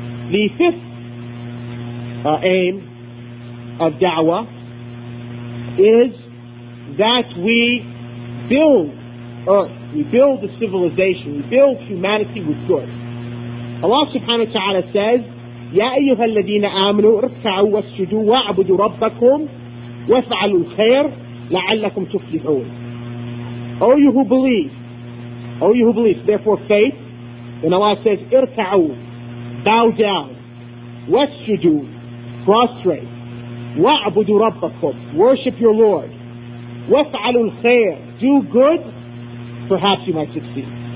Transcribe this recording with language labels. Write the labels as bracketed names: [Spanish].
[English] The fifth aim of da'wah is that we build earth, we build the civilization, we build humanity with good. Allah subhanahu wa ta'ala says, [Arabic] يَا أَيُّهَا الَّذِينَ آمَنُوا ارْكَعُوا وَاسْجُدُوا وَاعْبُدُوا رَبَّكُمْ وَفَعَلُوا الْخَيْرَ لَعَلَّكُمْ تُفْلِحُونَ. [English] O you who believe, O you who believe, therefore faith, then Allah says, [Arabic] ارْكَعُوا, [English] bow down, [Arabic] وَاسْجُدُوا, [English] prostrate, [Arabic] وَاعْبُدُوا رَبَّكُمْ, [English] worship your Lord, [Arabic] وَفْعَلُوا الْخَيْرِ, [English] do good, perhaps you might succeed.